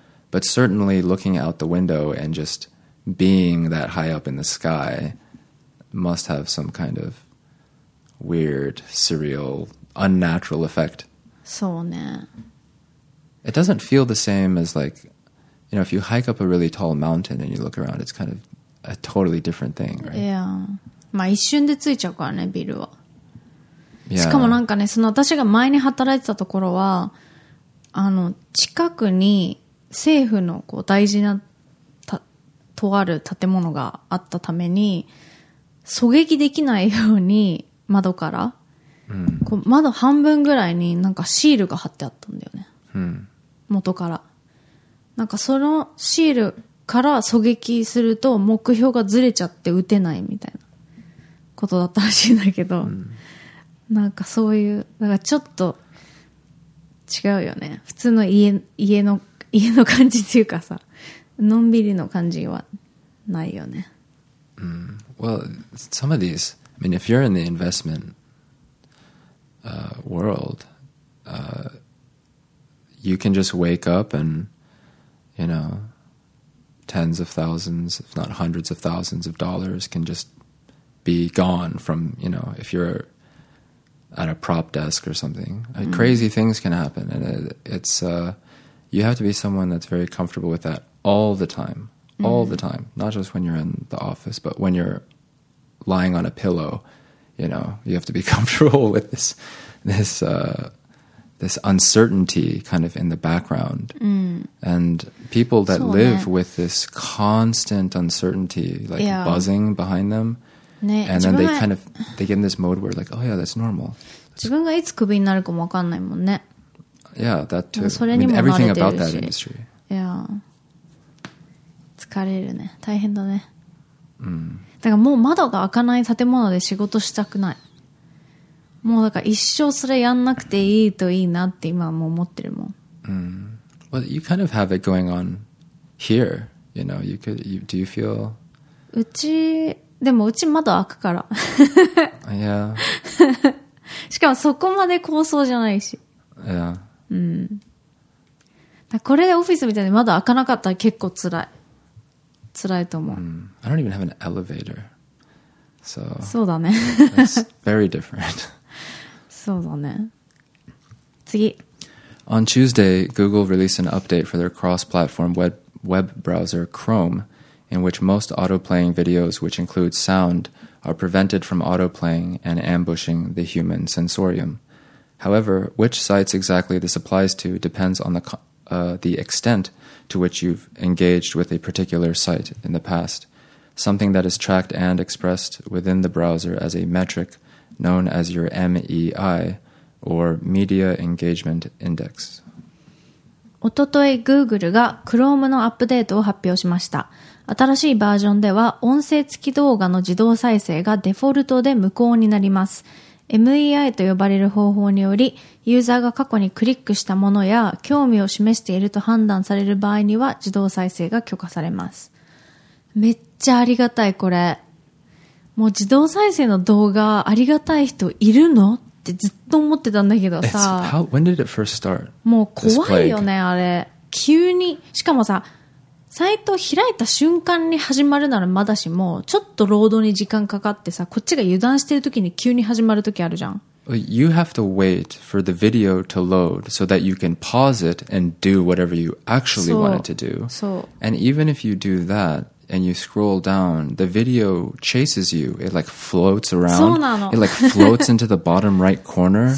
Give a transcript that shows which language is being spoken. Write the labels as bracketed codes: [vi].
[en] But certainly, looking out the window and just being that high up in the sky must have some kind of weird, surreal, unnatural effect. [ja] そうね。 [en] It doesn't feel the same as like, you know, if you hike up a really tall mountain and you look around, it's kind of a totally different thing, right? Yeah. [ja] まあ一瞬でついちゃうからね、ビルは。しかもなんかね、その私が前に働いてたところは、あの近くに政府のこう大事なとある建物があったために、狙撃できないように窓から。こう窓半分ぐらいになんかシールが貼ってあったんだよね、元から。なんかそのシールから狙撃すると目標がずれちゃって撃てないみたいなことだったらしいんだけど、なんかそういう、なんかちょっと違うよね、普通の家の感じっていうかさ、のんびりの感じはないよね。 [en] Well, some of these, I mean, if you're in the investmentworld, you can just wake up and, you know, tens of thousands, if not hundreds of thousands of dollars can just be gone from, you know, if you're at a prop desk or something. Like, crazy things can happen. And it's you have to be someone that's very comfortable with that all the time, all the time. Not just when you're in the office, but when you're lying on a pillow. You know, you have to be comfortable with this uncertainty kind of in the background. And people that live with this constant uncertainty, like buzzing behind them. And then they get in this mode where like, oh yeah, that's normal. [ja] 自分がいつクビになるかもわかんないもんね。 [en] Yeah, that too. [ja] それにも慣れてるし。 [en] Everything about that industry. [ja] Yeah. 疲れるね。大変だね。だからもう窓が開かない建物で仕事したくない。もうだから一生それやんなくていいといいなって今はもう思ってるもん。 [en] Well, you kind of have it going on here. You know, you could, you, do you feel? [ja] うち、でもうち窓開くから。 [en] Yeah. [ja] しかもそこまで高層じゃないし。 [en] Yeah. [ja] うん。だこれでオフィスみたいに窓開かなかったら結構辛い。辛いと思う。 [en] I don't even have an elevator. So. [ja] そうだね。 [en] It's very different. [ja] そうだね。次。 [en] On Tuesday, Google released an update for their cross-platform web browser, Chrome, in which most auto-playing videos which include sound are prevented from auto-playing and ambushing the human sensorium. However, which sites exactly this applies to depends on the extent to which you've engaged with a particular site in the past. Something that is tracked and expressed within the browser as a metric known as your MEI,Or Media Engagement Index. [ja] おととい、Google が Chrome のアップデートを発表しました。新しいバージョンでは、音声付き動画の自動再生がデフォルトで無効になります。 MEI と呼ばれる方法により、ユーザーが過去にクリックしたものや興味を示していると判断される場合には自動再生が許可されます。めっちゃありがたいこれ。もう自動再生の動画、ありがたい人いるの？ってずっと思ってたんだけどさ、 [en] When did it first start? [ja] もう怖いよねあれ。急に、しかもさ、サイト開いた瞬間に始まるならまだしも、ちょっとロードに時間かかってさ、こっちが油断してる時に急に始まる時あるじゃん。 [en] You have to wait for the video to load so that you can pause it and do whatever you actually wanted to do. [ja] そう。 [en] And even if you do that. And you scroll down, the video chases you. It like floats around. It like floats into the bottom right corner.